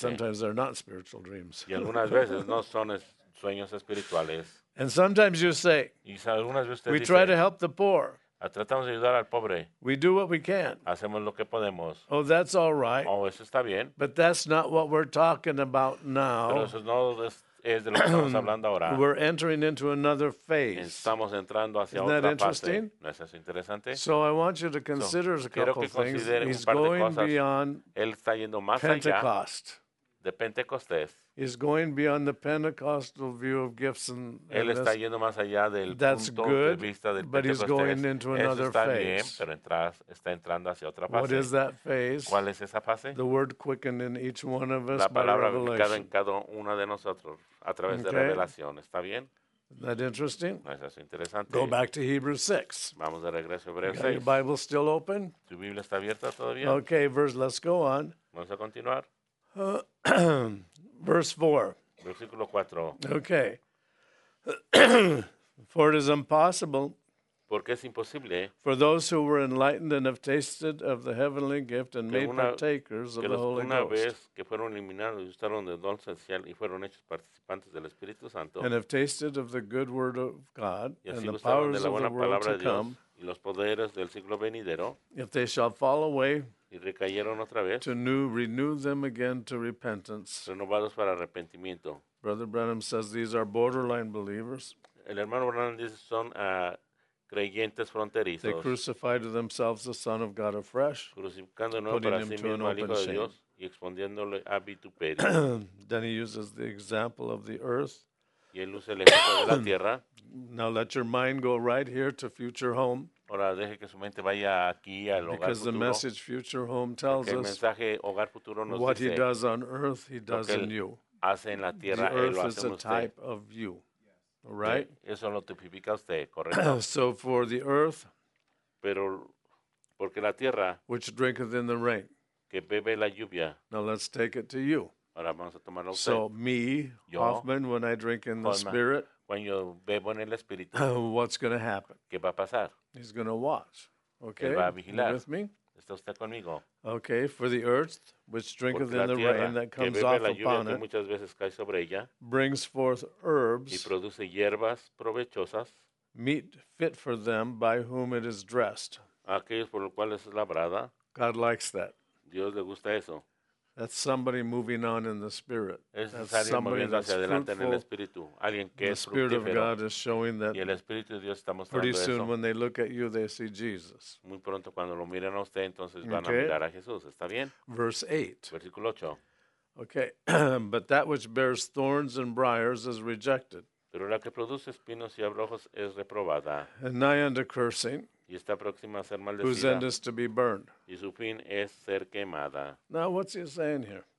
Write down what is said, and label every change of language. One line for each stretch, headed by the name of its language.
English: Sometimes they're not spiritual dreams.
Spanish: Y algunas veces no son sueños espirituales.
English: And sometimes you say,
Spanish: y algunas veces usted
English: we
Spanish: dice,
English: try to help the poor.
Spanish: Tratamos de ayudar al pobre.
English: We do what we can.
Spanish: Hacemos lo que podemos.
English: Oh, that's all right.
Spanish: Oh, eso está bien.
English: But that's not what we're talking about now.
Spanish: Pero eso no es es de lo que estamos hablando ahora.
English: We're entering into another phase.
Spanish: Estamos entrando hacia
English: isn't
Spanish: otra
English: that interesting?
Spanish: Fase. ¿No es eso interesante?
English: So I want you to consider so, a couple
Spanish: que
English: things. He's
Spanish: un par
English: going
Spanish: de cosas.
English: Beyond
Spanish: él está yendo más
English: Pentecost.
Spanish: Allá de Pentecostés.
English: He's going beyond the Pentecostal view of gifts and
Spanish: él está this. Yendo más allá del
English: that's
Spanish: punto
English: good,
Spanish: de vista del
English: but he's going into another
Spanish: eso está
English: phase.
Spanish: Bien, pero está entrando hacia otra fase.
English: What is that phase?
Spanish: ¿Cuál es esa fase?
English: The word quickened in each one of us
Spanish: la palabra
English: by revelation.
Spanish: En cada uno de nosotros a través
English: okay.
Spanish: de revelación. ¿Está bien?
English: Isn't that interesting?
Spanish: ¿No es eso interesante?
English: Go back to Hebrews 6.
Spanish: Vamos de regreso a Hebreos 6.
English: Your Bible still open?
Spanish: ¿Tu Biblia está abierta todavía?
English: Okay, verse, let's go on.
Spanish: Vamos a continuar.
English: Verse 4.
Spanish: Versículo 4. Okay.
English: For it is impossible
Spanish: porque es imposible
English: for those who were enlightened and have tasted of the heavenly gift and
Spanish: que
English: made
Spanish: una,
English: partakers of
Spanish: que
English: the Holy
Spanish: una
English: Ghost
Spanish: vez que fueron eliminados y gustaron del don esencial y fueron hechos participantes del Espíritu Santo
English: and have tasted of the good word of God
Spanish: y así
English: and the powers
Spanish: de la buena
English: of the world
Spanish: palabra
English: to come
Spanish: y los poderes del siglo venidero
English: if they shall fall away
Spanish: y recayeron otra vez.
English: To new, renew them again to repentance.
Spanish: Renovados para arrepentimiento.
English: Brother Branham says these are borderline believers.
Spanish: El hermano Branham dice son creyentes fronterizos.
English: They crucify to themselves the Son of God afresh.
Spanish: Crucificando nuevo para sí mismo al Hijo de Dios y exponiéndole a vituperio.
English: Then he uses the example of the earth.
Spanish: Y él usa el ejemplo de la tierra.
English: Now let your mind go right here to future home.
Spanish: Ahora deje que su mente vaya aquí al hogar futuro.
English: Because the message future home tells us
Spanish: mensaje, hogar futuro, nos
English: what
Spanish: dice,
English: he does on earth, he does in you.
Spanish: Hace en la tierra,
English: the earth
Spanish: lo hace
English: is
Spanish: en
English: a
Spanish: usted.
English: Type of you, right?
Spanish: Eso lo tipifica usted, correcto.
English: So for the earth,
Spanish: pero porque la tierra,
English: which drinketh in the rain,
Spanish: que bebe la lluvia.
English: Now let's take it to you.
Spanish: Ahora vamos a tomarlo a usted.
English: So me, yo, Hoffman, when I drink in
Spanish: Hoffman.
English: The spirit,
Spanish: cuando yo bebo en el espíritu,
English: what's going to happen?
Spanish: ¿Qué va a pasar?
English: He's going to watch. Okay.
Spanish: Él va a vigilar.
English: You with me?
Spanish: ¿Está usted conmigo?
English: Okay, for the earth which drinketh in the
Spanish: tierra,
English: rain that comes off
Spanish: la lluvia
English: upon
Spanish: que muchas veces cae sobre ella,
English: it brings forth herbs
Spanish: y produce hierbas provechosas,
English: meat fit for them by whom it is dressed.
Spanish: Aquellos por los cuales es labrada.
English: God likes that.
Spanish: Dios le gusta eso.
English: That's somebody moving on in the spirit.
Spanish: Es alguien
English: somebody
Spanish: moviendo hacia adelante
English: fruitful.
Spanish: En el espíritu. Alguien que
English: the
Spanish: es
English: spirit
Spanish: fructífero.
English: Of God is showing that
Spanish: y el espíritu de Dios está mostrando
English: pretty soon
Spanish: eso.
English: When they look at you, they see Jesus.
Spanish: Muy pronto cuando lo miren a usted, entonces van
English: okay.
Spanish: a mirar a Jesús. ¿Está bien?
English: Verse 8.
Spanish: Versículo 8. Okay.
English: But that which bears thorns and briars is rejected.
Spanish: Pero la que produce espinos y abrojos es reprobada.
English: And nigh unto cursing.
Spanish: Y está próxima a ser maldecida.
English: Whose end is to be burned.
Spanish: Y su fin es ser quemada.
English: Now, what's he saying here?